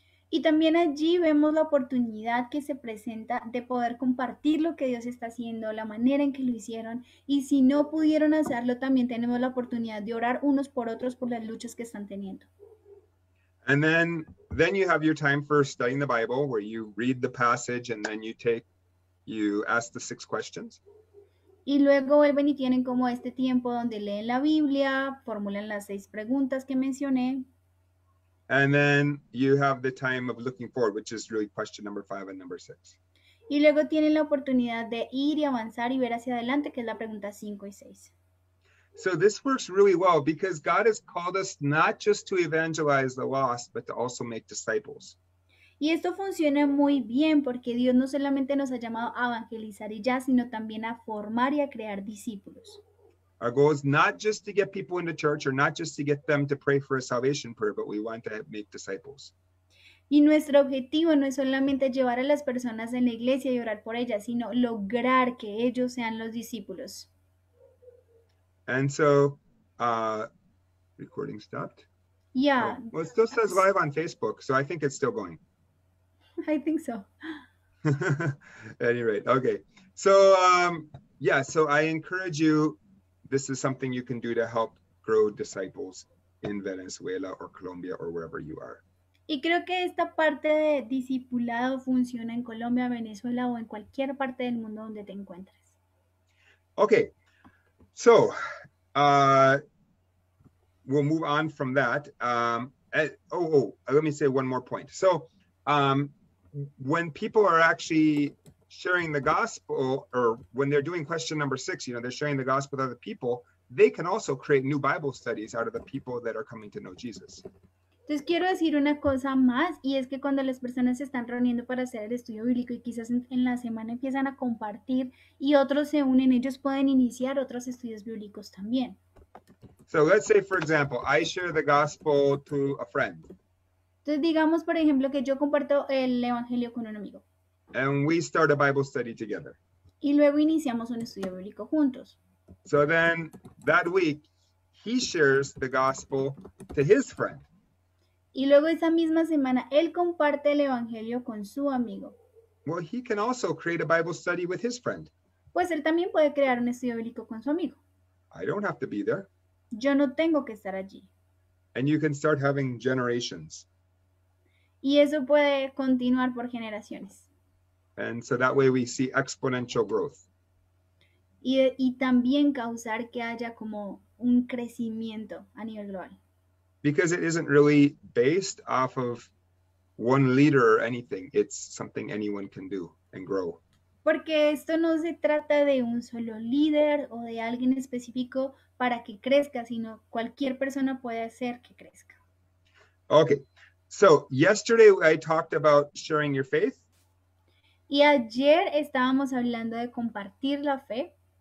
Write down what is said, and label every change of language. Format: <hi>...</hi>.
<es>Y también allí vemos la oportunidad que se presenta de poder compartir lo que Dios está haciendo, la manera en que lo hicieron. Y si no pudieron hacerlo, también tenemos la oportunidad de orar unos por otros por las luchas que están teniendo.</es> <en>And then you have your time for studying the Bible, where you read the passage and then you ask the six questions.</en> <es>Y luego vuelven y tienen como este tiempo donde leen la Biblia, formulan las seis preguntas que mencioné.</es> <en>And then you have the time of looking forward, which is really question number 5 and number 6.</en> <es>Y luego tienen la oportunidad de ir y avanzar y ver hacia adelante, que es la pregunta 5 y 6.</es> <en>So this works really well because God has called us not just to evangelize the lost, but to also make disciples.</en> <es>Y esto funciona muy bien porque Dios no solamente nos ha llamado a evangelizar y ya, sino también a formar y a crear discípulos.</es> <en>Our goal is not just to get people into church or not just to get them to pray for a salvation prayer, but we want to make disciples.</en> <es>Y nuestro objetivo no es solamente llevar a las personas en la iglesia y orar por ellas, sino lograr que ellos sean los discípulos.</es> <en>And so, recording stopped. Yeah. Oh, well, it still says live on Facebook, so I think it's still going. I think so. Anyway, okay. So, so I encourage you. This is something you can do to help grow disciples in Venezuela or Colombia or wherever you are.</en> <es>Y creo que esta parte de discipulado funciona en Colombia, Venezuela o en cualquier parte del mundo donde te encuentres.</es> <en>Okay. So, we'll move on from that. Let me say one more point. So, when people are actually sharing the gospel, or when they're doing question number 6, you know, they're sharing the gospel with other people, they can also create new Bible studies out of the people that are coming to know Jesus.</en> <es>Entonces quiero decir una cosa más, y es que cuando las personas se están reuniendo para hacer el estudio bíblico y quizás en la semana empiezan a compartir y otros se unen, ellos pueden iniciar otros estudios bíblicos también.</es> <en>So let's say, for example, I share the gospel to a friend.</en> <es>Entonces digamos, por ejemplo, que yo comparto el evangelio con un amigo.</es> <en>And we start a Bible study together.</en> <es>Y luego iniciamos un estudio bíblico juntos.</es> <en>So then that week he shares the gospel to his friend.</en> <es>Y luego esa misma semana él comparte el evangelio con su amigo.</es> <en>Well, he can also create a Bible study with his friend.</en> <es>Pues él también puede crear un estudio bíblico con su amigo.</es> <en>I don't have to be there.</en> <es>Yo no tengo que estar allí.</es> <en>And you can start having generations.</en> <es>Y eso puede continuar por generaciones.</es> <en>And so that way we see exponential growth.</en> <es>Y también causar que haya como un crecimiento a nivel global.</es> <en>Because it isn't really based off of one leader or anything. It's something anyone can do and grow.</en> <es>Porque esto no se trata de un solo líder o de alguien específico para que crezca, sino cualquier persona puede hacer que crezca.</es> <en>Okay. So yesterday I talked about sharing your faith.</en> <es>Y ayer estábamos hablando de compartir la fe.</es>